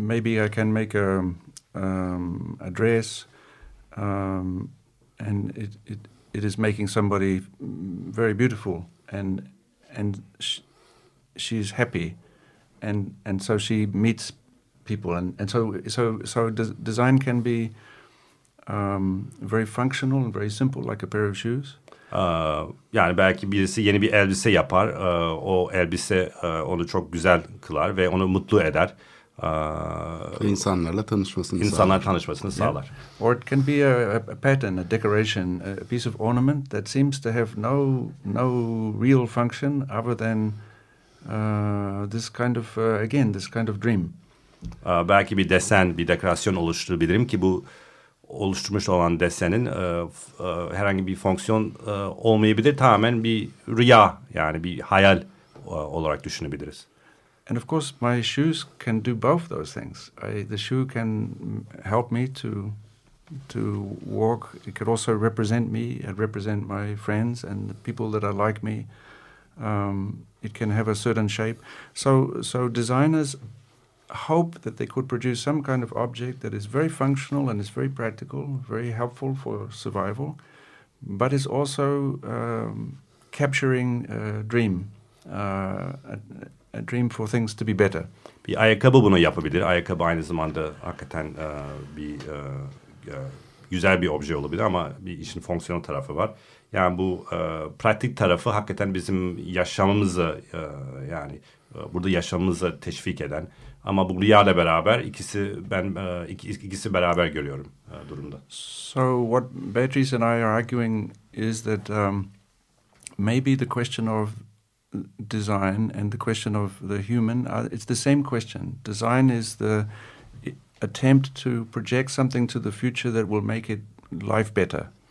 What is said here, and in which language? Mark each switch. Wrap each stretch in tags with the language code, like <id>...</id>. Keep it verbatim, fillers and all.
<en>Maybe I can make a, um, a dress um, and it, it, it is making somebody very beautiful and, and she's happy. And and so she meets people, and, and so so so des- design can be um, very functional and very simple, like a pair of shoes.</en> <tr>Uh, yani belki birisi yeni bir elbise yapar, uh, o elbise uh, onu çok güzel kılar ve onu mutlu eder. Uh, insanlarla tanışmasını insanlar tanışmasını sağlar. Yeah.</tr> <en>Or it can be a, a pattern, a decoration, a piece of ornament that seems to have no no real function other than Uh, this kind of uh, again this kind of dream.</en> <tr>Uh, belki bir desen, bir dekorasyon oluşturabilirim ki bu oluşturmuş olan desenin uh, f- uh, herhangi bir fonksiyon uh, olmayabilir. Tamamen bir rüya, yani bir hayal uh, olarak düşünebiliriz.</tr> <en>And of course my shoes can do both those things. I, the shoe can help me to to walk. It can also represent me and represent my friends and the people that are like me. Um, it can have a certain shape. So so designers hope that they could produce some kind of object that is very functional and is very practical, very helpful for survival, but is also um, capturing a dream, uh, a, a dream for things to be better.</en> <tr>Bir ayakkabı bunu yapabilir. Ayakkabı aynı zamanda hakikaten uh, bir uh, güzel bir obje olabilir ama bir işin fonksiyonel tarafı var. Yani bu e, pratik tarafı hakikaten bizim yaşamımızı e, yani e, burada yaşamımızı teşvik eden ama bu rüyayla beraber ikisi ben e, iki, ikisi beraber görüyorum e, durumda.</tr> <en>So what Beatrice and I are arguing is that um, maybe the question of design and the question of the human are, it's the same question. Design is the attempt to project something to the future that will make it life better.</en>